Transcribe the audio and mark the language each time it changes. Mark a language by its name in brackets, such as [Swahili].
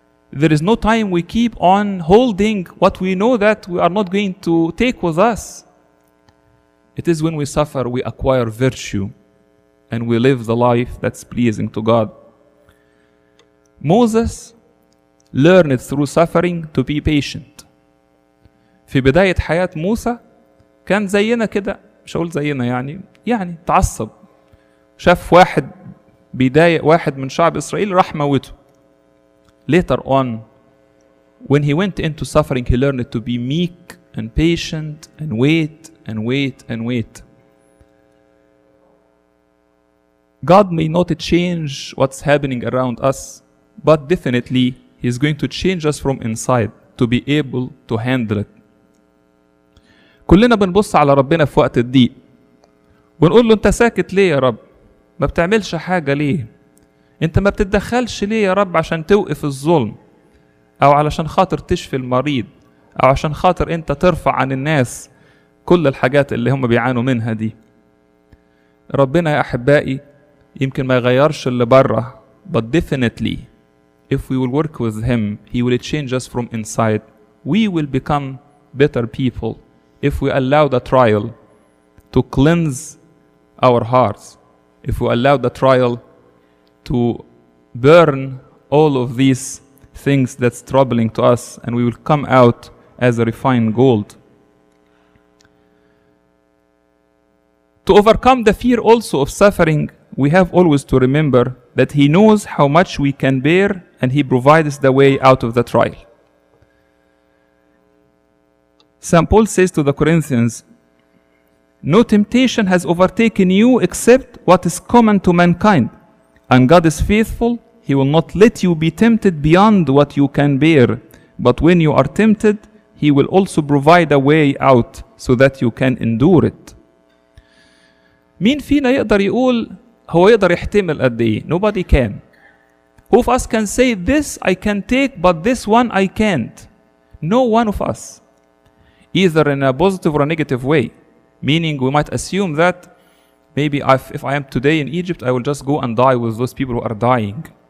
[English] There is no time we keep on holding what we know that we are not going to take with us. It is when we suffer, we acquire virtue and we live the life that's pleasing to God. Moses learned through suffering to be patient. [Arabic] في بداية حياة موسى كان زينا كده, مش أقول زينا يعني تعصب. شاف واحد بداية واحد من شعب إسرائيل راح موته. [English] Later on, when he went into suffering, he learned to be meek and patient and wait and wait and wait. God may not change what's happening around us, but definitely he is going to change us from inside to be able to handle it. [Arabic] كلنا بنبص على ربنا في وقت الضيق ونقول له انت ساكت ليه يا رب؟ ما بتعملش حاجة ليه؟ انت ما بتتدخلش ليه يا رب عشان توقف الظلم او علشان خاطر تشفي المريض او عشان خاطر انت ترفع عن الناس كل الحاجات اللي هم بيعانوا منها دي؟ ربنا يا احبائي يمكن ما يغيرش اللي بره, [English] but definitely if we will work with him he will change us from inside. We will become better people if we allow the trial to cleanse our hearts, if we allow the trial to burn all of these things that's troubling to us, and we will come out as a refined gold. To overcome the fear also of suffering, we have always to remember that He knows how much we can bear, and He provides the way out of the trial. St. Paul says to the Corinthians, No temptation has overtaken you except what is common to mankind. And God is faithful, He will not let you be tempted beyond what you can bear. But when you are tempted, He will also provide a way out so that you can endure it. [Arabic] مين فينا يقدر يقول هو يقدر يحتمل قد ايه؟ [English] Nobody can. Who of us can say, this I can take, but this one I can't? No one of us. Either in a positive or a negative way. Meaning we might assume that maybe if I am today in Egypt, I will just go and die with those people who are dying.